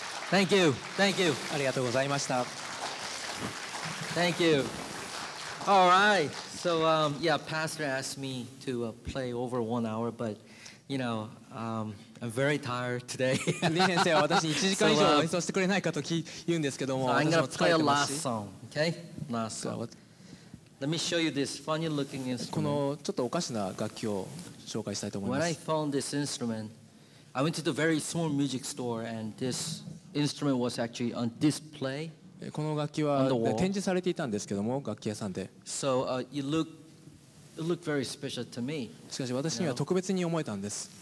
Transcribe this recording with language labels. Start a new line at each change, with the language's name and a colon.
English: Thank you. Thank you.
Japanese: ありがとうございました。
English: Thank you. All right. So, yeah, Pastor asked me to play over 1 hour, but, you know, I'm very tired today.
Japanese: リ先生は私に1時間以上演奏してくれないかと言うんですけども、私も疲れてますし。
English: I'm going to play a last song, okay? Last song. Let me show you this funny looking instrument.
Japanese: このちょっとおかしな楽器を紹介したいと思います。
English: When I found this instrument, I went to the very small music store and this instrument was actually on display.
Japanese: この楽器は展示されていたんですけども、楽器屋さんで。
English: So, it looked very special to me.
Japanese: しかし私には特別に思えたんです。